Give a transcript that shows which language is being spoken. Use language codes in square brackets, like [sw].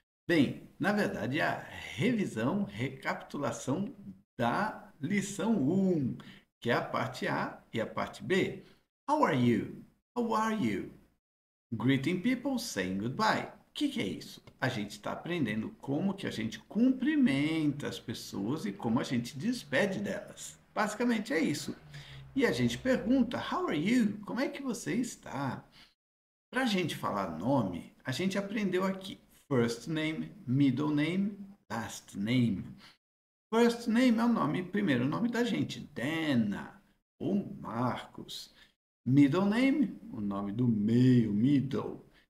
[en] Bem, na verdade é a revisão, recapitulação da lição 1, que é a parte A e a parte B. How are you? How are you? Greeting people, saying goodbye. [pt] Que é isso? A gente está aprendendo como que a gente cumprimenta as pessoas e como a gente despede delas. Basicamente é isso. E a gente pergunta, [en] How are you? [pt] Como é que você está? Para a gente falar nome, a gente aprendeu aqui. First name, middle name, last name. First name é o nome, primeiro nome da gente, Dana ou Marcos. Middle name, o nome do meio, middle.